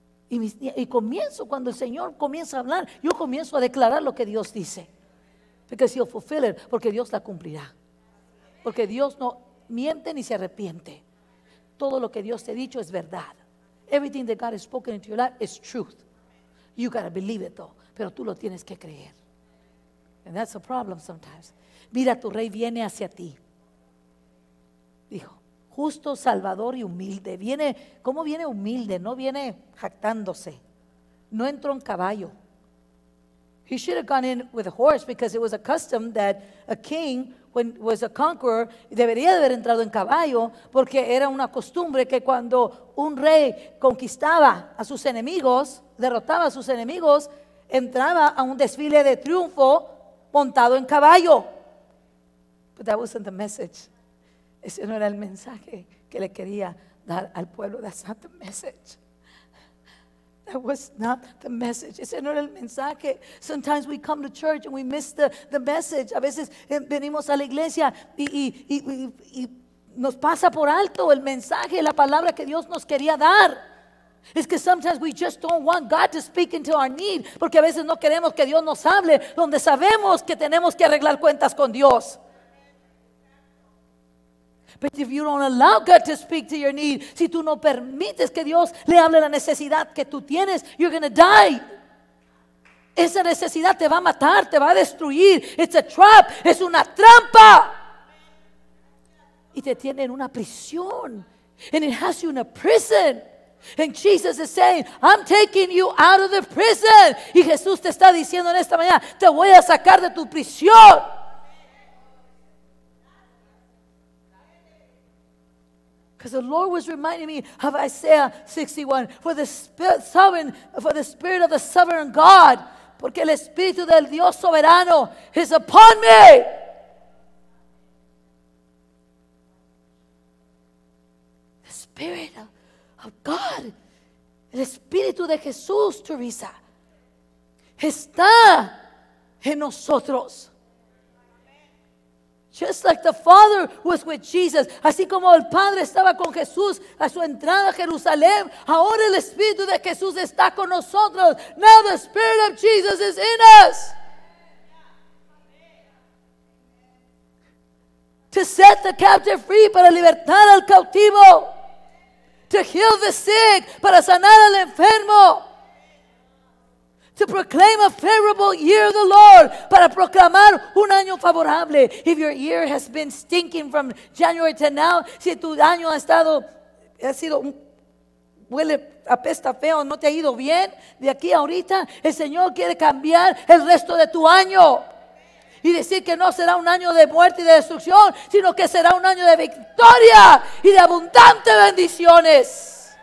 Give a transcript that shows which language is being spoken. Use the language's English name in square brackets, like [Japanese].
[Spanish] Y comienzo, cuando el Señor comienza a hablar, yo comienzo a declarar lo que Dios dice. [English] Because He'll fulfill it, [Spanish] porque Dios la cumplirá. Porque Dios no miente ni se arrepiente. Todo lo que Dios te ha dicho es verdad. [English] Everything that God has spoken into your life is truth. You gotta believe it though. [Spanish] Pero tú lo tienes que creer. [English] And that's a problem sometimes. [Spanish] Mira, tu rey viene hacia ti. Dijo, justo, salvador y humilde. Viene, ¿cómo viene humilde? No viene jactándose. No entró en caballo. [English] He should have gone in with a horse because it was a custom that a king, when was a conqueror, [Spanish] debería haber entrado en caballo porque era una costumbre que cuando un rey conquistaba a sus enemigos, derrotaba a sus enemigos, entraba a un desfile de triunfo montado en caballo. [English] But that wasn't the message. [Spanish] Ese no era el mensaje que le quería dar al pueblo. [English] That's not the message. That was not the message. [Spanish] Ese no era el mensaje. [English] Sometimes we come to church and we miss the message. [Spanish] A veces venimos a la iglesia y nos pasa por alto el mensaje, la palabra que Dios nos quería dar. Es que [English] sometimes we just don't want God to speak into our need. [Spanish] Porque a veces no queremos que Dios nos hable donde sabemos que tenemos que arreglar cuentas con Dios. [English] But if you don't allow God to speak to your need, [Spanish] si tú no permites que Dios le hable la necesidad que tú tienes, [English] you're going to die. [Spanish] Esa necesidad te va a matar, te va a destruir. [English] It's a trap, [Spanish] es una trampa. Y te tiene en una prisión. [English] And it has you in a prison. And Jesus is saying, I'm taking you out of the prison. [Spanish] Y Jesús te está diciendo en esta mañana, te voy a sacar de tu prisión. [English] Because the Lord was reminding me of Isaiah 61. For the spirit of the sovereign God. [Spanish] Porque el Espíritu del Dios soberano [English] is upon me. The Spirit of God. [Spanish] El Espíritu de Jesús, Teresa. Está en nosotros. [English] Just like the Father was with Jesus. [Spanish] Así como el Padre estaba con Jesús a su entrada a Jerusalén, ahora el Espíritu de Jesús está con nosotros. [English] Now the Spirit of Jesus is in us. To set the captive free, [Spanish] para libertar al cautivo. [English] To heal the sick, [Spanish] para sanar al enfermo. [English] To proclaim a favorable year of the Lord. [Spanish] Para proclamar un año favorable. [English] If your year has been stinking from January to now. [Spanish] Si tu año ha sido, huele, apesta feo, no te ha ido bien. De aquí a ahorita, el Señor quiere cambiar el resto de tu año. Y decir que no será un año de muerte y de destrucción. Sino que será un año de victoria y de abundantes bendiciones.